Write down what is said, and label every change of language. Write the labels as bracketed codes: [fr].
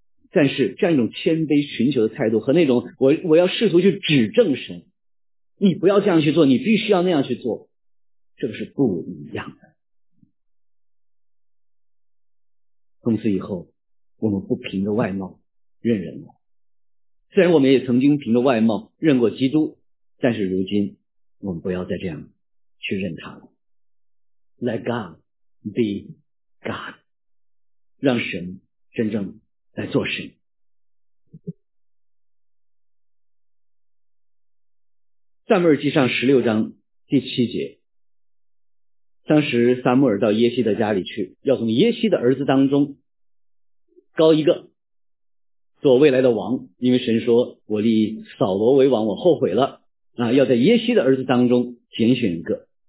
[zh] 但是这样一种谦卑寻求的态度，和那种我要试图去指证神，你不要这样去做，你必须要那样去做，这个是不一样的。从此以后，我们不凭着外貌认人了。虽然我们也曾经凭着外貌认过基督，但是如今我们不要再这样去认他了。 [en] Let God be God， [zh] 让神真正来做神。撒母耳记上16章第7节，当时撒母耳到耶西的家里去，要从耶西的儿子当中高一个做未来的王，因为神说我立扫罗为王我后悔了啊，要在耶西的儿子当中拣选一个。